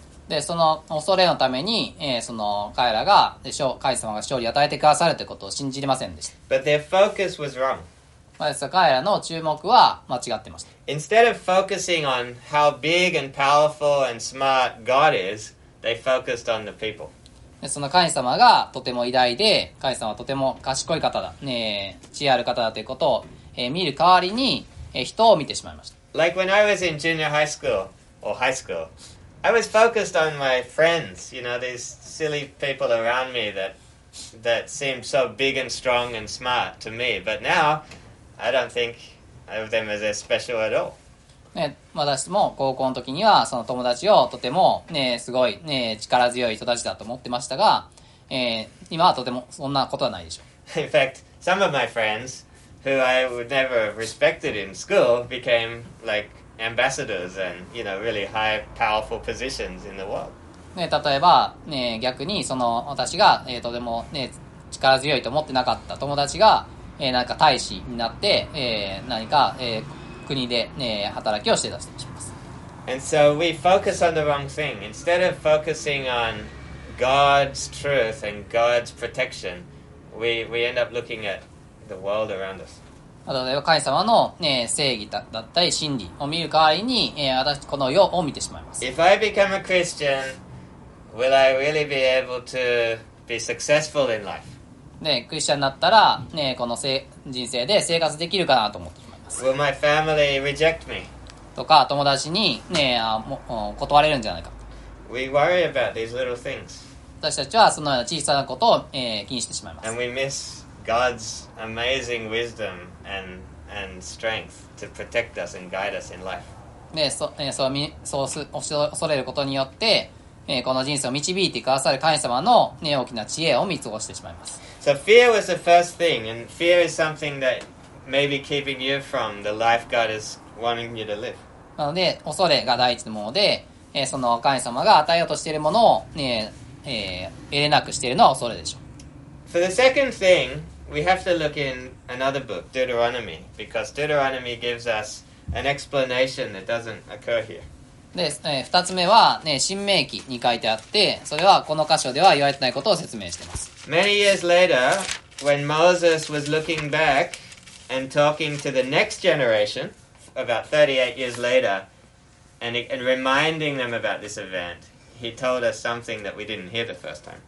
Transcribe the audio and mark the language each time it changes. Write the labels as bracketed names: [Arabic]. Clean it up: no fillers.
[Japanese] でその恐れのために、その彼らが神様が勝利を与えてくださるということを信じれませんでした。 [English] But their focus was wrong. [Japanese] 彼らの注目は間違ってました。 [English] Instead of focusing on how big and powerful and smart God is, they focused on the people. [Japanese] で、その神様がとても偉大で、神様はとても賢い方だ、ね、知恵ある方だということを、見る代わりに、人を見てしまいました。 [English] Like when I was in junior high school or high school, I was focused on my friends, you know, these silly people around me that seemed so big and strong and smart to me. But now,I don't think of them as special at all. [Japanese] ね、まだしても高校の時にはその友達をとてもね、すごいね、力強い人たちだと思ってましたが、今はとてもそんなことはないでしょう。 [English] In fact, some of my friends who I would never have respected in school became like ambassadors and, you know, really high powerful positions in the world. [Japanese] ね、例えばね、逆にその私が、とてもね、力強いと思ってなかった友達が、なんか大使になって、何か、国で、働きをしてたりします。 [English] And so we focus on the wrong thing. Instead of focusing on God's truth and God's protection, we end up looking at the world around us. [Japanese] 例えば神様の、ね、正義だったり真理を見る代わりに、私この世を見てしまいます。 [English] If I become a Christian, will I really be able to be successful in life? [Japanese] ね、クリスチャンになったら、ね、この人生で生活できるかなと思ってしまいます。 [English] Will my family reject me? [Japanese] とか友達に、ね、断れるんじゃないか。 [English] We worry about these little things. [Japanese] 私たちはそのような小さなことを、気にしてしまいます。 [English] And we miss God's amazing wisdom and strength to protect us and guide us in life. [Japanese] で、恐れることによって、この人生を導いてくださる神様の、ね、大きな知恵を見過ごしてしまいます。 [English] So fear was the first thing, and fear is something that may be keeping you from the life God is wanting you to live. [Japanese] なので、恐れが第一のもので、その神様が与えようとしているものを、ね、得れなくしているのは恐れでしょう。 [English] For the second thing, we have to look in another book, Deuteronomy, because Deuteronomy gives us an explanation that doesn't occur here. [Japanese] で、2つ目は、ね、新命記に書いてあって、それはこの箇所では言われてないことを説明しています。 [English] Many years later, when Moses was looking back and talking to the next generation, about 38 years later, and reminding them about this event,He told us something that we didn't hear the first time.